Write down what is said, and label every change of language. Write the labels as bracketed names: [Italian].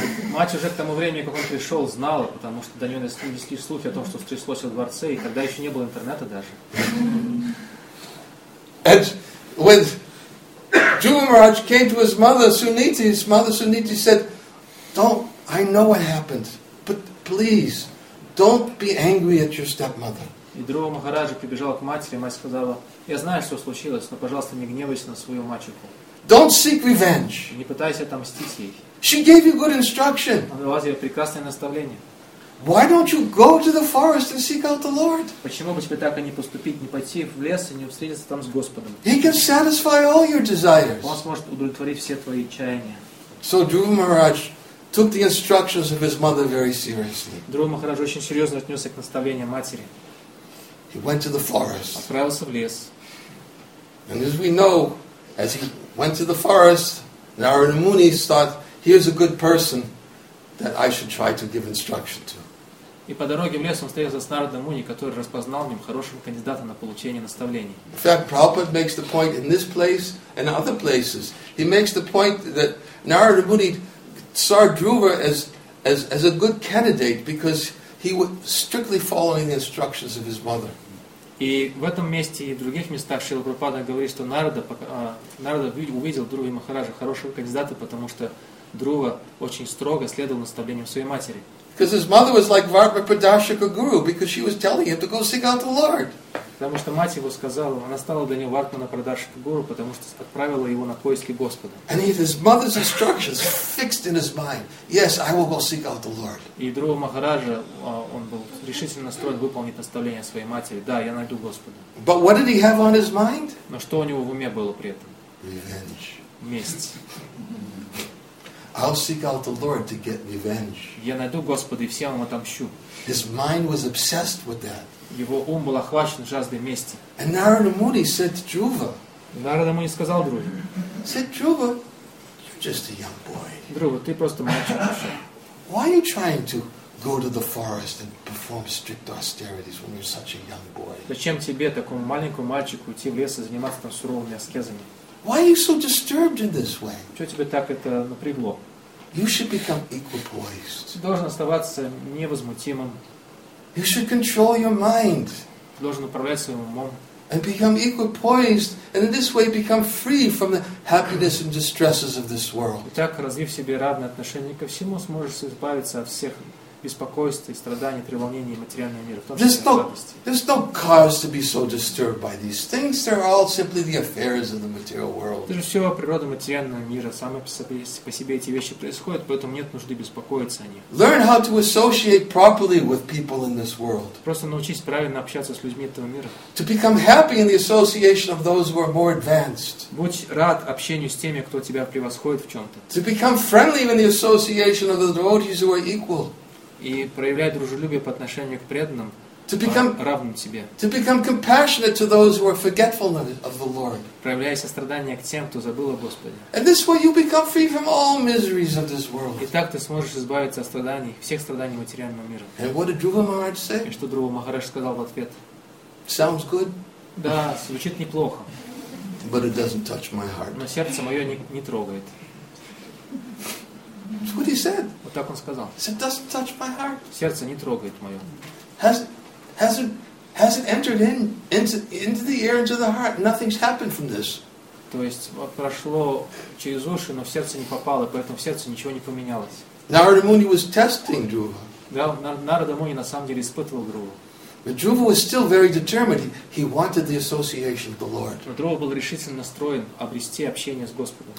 [Russian] Мать уже к тому времени, как он пришел, знала, потому что до нее донесли слухи о том, что стряслось в дворце, и тогда еще не было интернета даже. [English] And when Dhruva Maharaj came to his mother Suniti, his mother Suniti said, "Don't, I know what happened, but please, don't be angry at your stepmother." [Russian] И Дрова Махараджа прибежала к матери, мать сказала, я знаю, что случилось, но, пожалуйста, не гневайся на свою мачеху. [English] Don't seek revenge. [Russian] Не пытайся отомстить ей. [English] She gave you good instruction. [Russian] Она дала тебе прекрасное наставление. [English] Why don't you go to the forest and seek out the Lord? [Russian] Почему бы тебе так и не поступить, не пойти в лес и не встретиться там с Господом? [English] He can satisfy all your desires. [Russian] Он сможет удовлетворить все твои чаяния. [English] So Dhruva Maharaj took the instructions of his mother very seriously. [Russian] Дрова Махараджа очень серьезно отнесся к наставлениям матери. [English] He went to the forest. [Russian] Отправился в лес. [English] And as we know, as he went to the forest, Narada Muni thought, "Here's a good person that I should try to give instruction to." [Russian] И по дороге в лес он встретился с Нарада Муни, который распознал в нем хорошего кандидата на получение наставлений. [English] In fact, Prabhupada makes the point in this place and other places. He makes the point that Narada Muni saw Dhruva as a good candidate because he was strictly following the instructions of his mother. [Russian] И в этом месте и в других местах Шрила Прабхупада говорит, что Нарада увидел Друву и Махараджа хорошего кандидата, потому что Друва очень строго следовал наставлениям своей матери. [English] Because his mother was like Varpa Pradashika Guru, because she was telling him to go seek out the Lord. [Russian] Потому что мать его сказала, она стала для него Варпа Прадашика Гуру, потому что отправила его на поиски Господа. [English] And he had his mother's instructions fixed in his mind. Yes, I will go seek out the Lord. [Russian] И Друва Махараджа, он был решительно настроен выполнить наставление своей матери. Да, я найду Господа. [English] But what did he have on his mind? [Russian] Но что у него в уме было при этом? [English] Revenge. [Russian] Месть. [English] I'll seek out the Lord to get revenge. [Russian] Я найду Господа и всем отомщу. [English] His mind was obsessed with that. [Russian] Его ум был охвачен жаждой мести. [English] And Narada Muni said to Dhruva. [Russian] Narada Muni сказал Друве. [English] Said Dhruva, you're just a young boy. [Russian] Друва, ты просто мальчик. [English] Why are you trying to go to the forest and perform strict austerities when you're such a young boy? [Russian] Зачем тебе такому маленькому мальчику идти в лес и заниматься там суровыми аскезами? [English] Why are you so disturbed in this way? [Russian] Чего тебя так это напрягло? [English] You should become equipoised. [Russian] Ты должен оставаться невозмутимым. [English] You should control your mind. [Russian] Ты должен управлять своим умом. [English] And become equipoised, and in this way become free from the happiness and distresses of this world. [Russian] И так, развив в себе равное отношение ко всему, сможешь избавиться от всех беспокойств и страданий, треволнений материального мира. [English] There's no cause to be so disturbed by these things. They're all simply the affairs of the material world. [Russian] Это же все природа материального мира. Сами по себе эти вещи происходят, поэтому нет нужды беспокоиться о них. [English] Learn how to associate properly with people in this world. [Russian] Просто научись правильно общаться с людьми этого мира. [English] To become happy in the association of those who are more advanced. [Russian] Будь рад общению с теми, кто тебя превосходит в чем-то. [English] To become friendly in the association of the devotees who are equal. [Russian] И проявлять дружелюбие по отношению к преданным, равным себе. [English] To become compassionate to those who are forgetful of the Lord. [Russian] Проявляя сострадание к тем, кто забыл о Господе. [English] And this way you become free from all miseries of this world. [Russian] И так ты сможешь избавиться от страданий, всех страданий материального мира. [English] And what did Dhruva Maharaj say? [Russian] И что Друва Махарадж сказал в ответ? [English] Sounds good. [Russian] Да, звучит неплохо. [English] But it doesn't touch my heart. [Russian] Но сердце мое не трогает. [English] That's what he said. [Russian] Вот так он сказал. [English] He said, "Doesn't touch my heart." [Russian] Сердце не трогает мое. [English] Has it entered into the ear into the heart? Nothing's happened from this. [Russian] То есть прошло через уши, но в сердце не попало, поэтому в сердце ничего не поменялось. [English] Narada Muni was testing Dhruva. [Russian] Да, Narada Muni на самом деле испытывал Дрову. [English] But Dhruva was still very determined. He wanted the association of the Lord. [Russian] Но Дрова был решительно настроен обрести общение с Господом.